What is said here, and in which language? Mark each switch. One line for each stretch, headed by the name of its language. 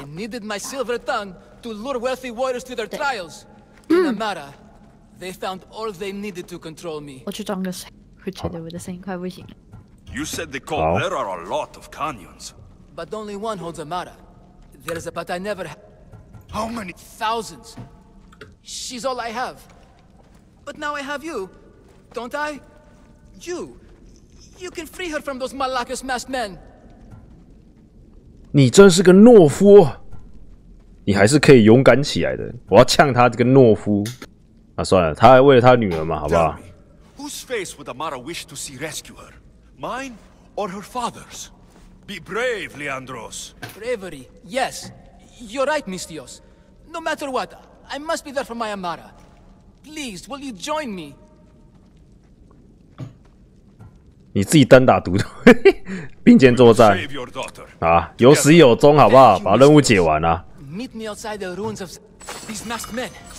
English: They needed my silver tongue to lure wealthy warriors to their trials. In Amara, they found all they needed to control me.
Chinese: 我去装个声，我觉得我的声音快不行了。
English: You said the call. There are a lot of canyons, but only one holds Amara. There is a but I never. How many thousands? She's all I have.But now I have you, don't I? You, You can free her from those Malakas masked men.
Chinese: 你真是个懦夫，你还是可以勇敢起来的。我要呛他这个懦夫。那算了，他还为了他女儿嘛，好不好
English: ？Whose face would Amara wish to see rescue her? Mine or her father's? Be brave, Leandros. Bravery, yes. You're right, Mistios. No matter what, I must be there for my Amara. Please, will you join me?
Chinese: 你自己单打独斗，并肩作战啊，有始有终，好不好？把任务解完啊。
English: Meet me outside the ruins of these masked men.